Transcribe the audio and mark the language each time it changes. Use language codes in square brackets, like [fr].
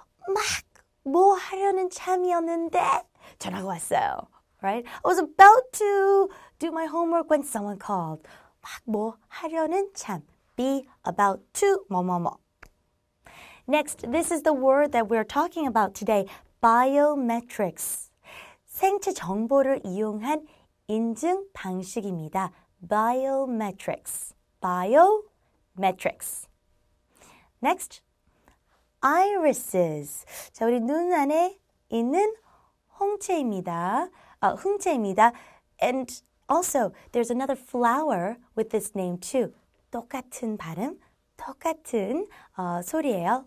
[ko] 막 뭐 하려는 참이었는데 전화가 왔어요. [en] Right? I was about to do my homework when someone called. 막 뭐 하려는 참. Be about to 뭐뭐뭐. Next, this is the word that we're talking about today. Biometrics. [ko] 생체 정보를 이용한 인증 방식입니다. [en] Biometrics. Biometrics. Next, irises. [ko] 자, 우리 눈 안에 있는 홍채입니다. 흥채입니다. [en] And also, there's another flower with this name too. [ko] 똑같은 발음, 똑같은 소리예요.